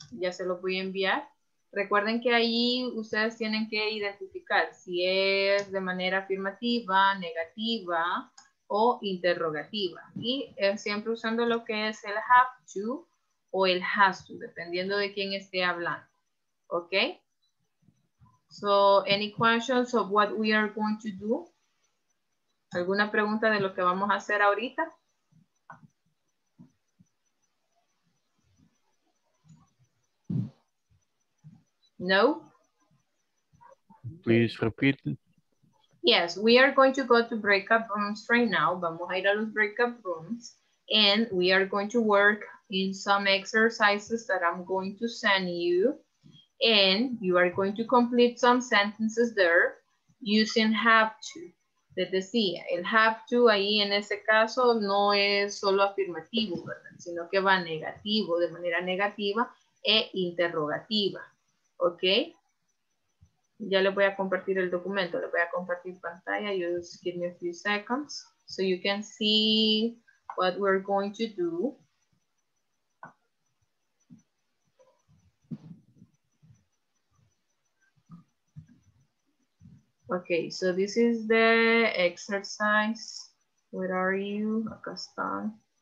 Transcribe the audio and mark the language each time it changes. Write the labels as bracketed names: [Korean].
[Spanish] Ya se los voy a enviar. Recuerden que ahí ustedes tienen que identificar si es de manera afirmativa, negativa o interrogativa. Y siempre usando lo que es el have to o el has to, dependiendo de quién esté hablando. [English] Ok. So, any questions of what we are going to do? [Spanish] ¿Alguna pregunta de lo que vamos a hacer ahorita? No? [English] Please repeat. Yes, we are going to go to breakout rooms right now. [Spanish] Vamos a ir a los breakout rooms. [English] And we are going to work in some exercises that I'm going to send you. And you are going to complete some sentences there using have to. [Spanish] Les decía, el have to ahí en ese caso no es solo afirmativo, ¿verdad? Sino que va negativo, de manera negativa e interrogativa. ¿Ok? Ya les voy a compartir el documento, les voy a compartir pantalla. [English] You just give me a few seconds so you can see what we're going to do. Okay, so this is the exercise. Where are you? [Spanish] Acá están.